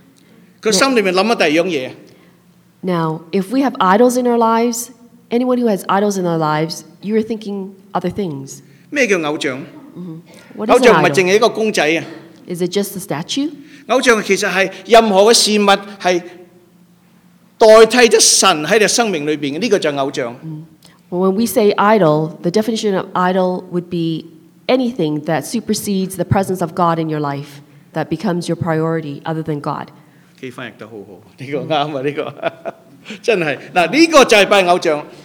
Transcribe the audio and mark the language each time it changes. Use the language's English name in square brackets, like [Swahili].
[Chinese] 是使你們與我們相交。一個人如果生命裡面有拜偶像,他心裡面想了第二樣東西。 [English] Now, if we have idols in our lives, anyone who has idols in their lives, you are thinking other things. [Chinese] 什麼叫偶像? [English] What is an idol? [Chinese] 偶像不只是一個公仔。 [English] Is it just a statue? [Chinese] 偶像其實是任何的事物是代替神在你生命裏面,這個就是偶像。 [English] When we say idol, the definition of idol would be anything that supersedes the presence of God in your life, that becomes your priority other than God. [Chinese] 可以翻譯得很好,這個對,這個真的,這個就是拜偶像。